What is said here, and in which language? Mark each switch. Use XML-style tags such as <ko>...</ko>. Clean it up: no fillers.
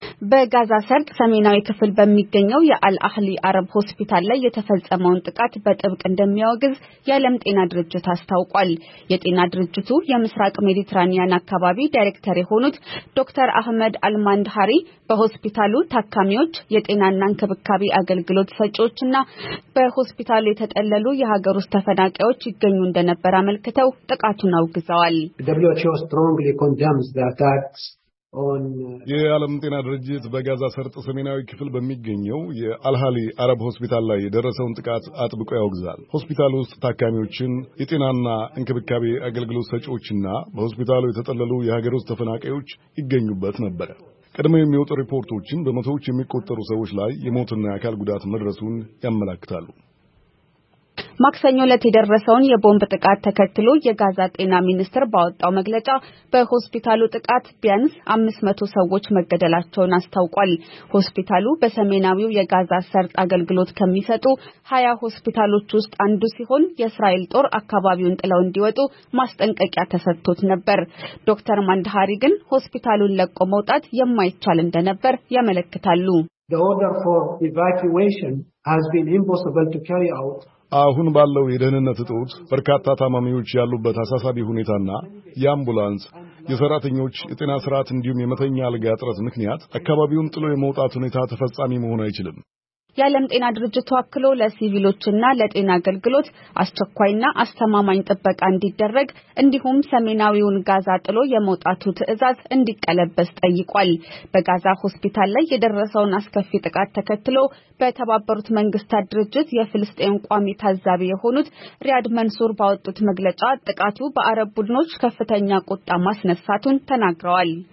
<am>በጋዛ ሰርጥ ሰሜናዊ ክፍል በሚገኘው የአልአህሊ አረብ ሆስፒታል ላይ የተፈጸመውን ጥቃት በጥብቅ እንደሚያወግዝ የዓለም ጤና ድርጅት አስታውቋል። የጤና ድርጅቱ የምስራቅ ሜዲትራኒያን አካባቢ ዳይሬክተር የሆኑት ዶክተር አህመድ አልማንድሃሪ በሆስፒታሉ ታካሚዎች፣ የጤናና ንክብካቤ አገልግሎት ሰጪዎችና በሆስፒታሉ የተጠለሉ የሀገር ውስጥ ተፈናቃዮች ይገኙ እንደነበር አመልክተው ጥቃቱን አውግዘዋል።</am> <en>WHO strongly condemns the attacks.</en> <am>የዓለም ጤና ድርጅት በጋዛ ሰርጥ ሰሜናዊ ክፍል በሚገኘው የአልሃሊ አረብ ሆስፒታል ላይ የደረሰውን ጥቃት አጥብቆ ያወግዛል። ሆስፒታሉ ውስጥ ታካሚዎችን፣ የጤናና እንክብካቤ አገልግሎት ሰጪዎችና በሆስፒታሉ የተጠለሉ የሀገር ውስጥ ተፈናቃዮች ይገኙበት ነበር። ቀድሞ የሚወጡ ሪፖርቶችን በመቶዎች የሚቆጠሩ ሰዎች ላይ የሞትና የአካል ጉዳት መድረሱን ያመለክታሉ። ማክሰኞ ለተደረሰውን የቦምብ ጥቃት ተከትሎ የጋዛ ጤና ሚኒስትር ባወጣው መግለጫ በሆስፒታሉ ጥቃት ቢያንስ 500 ሰዎች መገደላቸውን አስታውቋል። ሆስፒታሉ በሰሜናዊው የጋዛ ሰርጥ አገልግሎት ከሚሰጡ 20 ሆስፒታሎች ውስጥ አንዱ ሲሆን የእስራኤል ጦር አካባቢውን ጥለው እንዲወጡ ማስጠንቀቂያ ተሰጥቶት ነበር። ዶክተር ማንድሃሪ ግን ሆስፒታሉን ለቆ መውጣት የማይቻል እንደነበር ያመለክታሉ።</am> <en>The order for evacuation has been impossible to carry out.</en> <am>አሁን ባለው የደህንነት ጥውት በርካታ ታማሚዎች ያሉበት አሳሳቢ ሁኔታና የአምቡላንስ የሰራተኞች የጤና ስርዓት እንዲሁም የመተኛ አልጋ አጥረት ምክንያት አካባቢውን ጥሎ የመውጣት ሁኔታ ተፈጻሚ መሆን አይችልም። የዓለም ጤና ድርጅት አክሎ ለሲቪሎችና ለጤና አገልግሎት አስቸኳይና አስተማማኝ ጥበቃ እንዲደረግ እንዲሁም ሰሜናዊውን ጋዛ ጥሎ የመውጣቱ ትዕዛዝ እንዲቀለበስ ጠይቋል። በጋዛ ሆስፒታል ላይ የደረሰውን አስከፊ ጥቃት ተከትሎ በተባበሩት መንግስታት ድርጅት የፍልስጤም ቋሚ ታዛቢ የሆኑት ሪያድ መንሱር ባወጡት መግለጫ ጥቃቱ በአረብ ቡድኖች ከፍተኛ ቁጣ ማስነሳቱን ተናግረዋል።</am>